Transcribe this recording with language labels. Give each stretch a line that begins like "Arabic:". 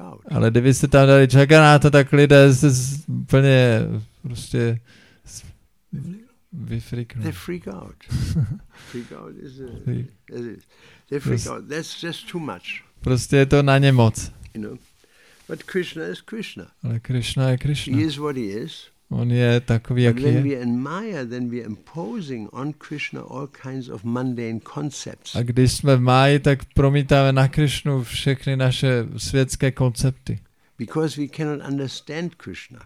Czech: Ale kdybyste tam dali Jagannatha, tak lidé se úplně prostě vyfriknou.
English: They freak out. Freak out is they freak out. That's just too much.
Czech: Prostě je to na ně moc.
English: You know? But Krishna is Krishna.
Czech: Ale Krishna je Krishna.
English: He is what he is.
Czech: On je takový, jak
English: when
Czech: je.
English: We admire, then we are imposing on Krishna all kinds of mundane concepts.
Czech: A když jsme v máji, tak promítáme na Krishnu všechny naše světské koncepty.
English: Because we cannot understand Krishna.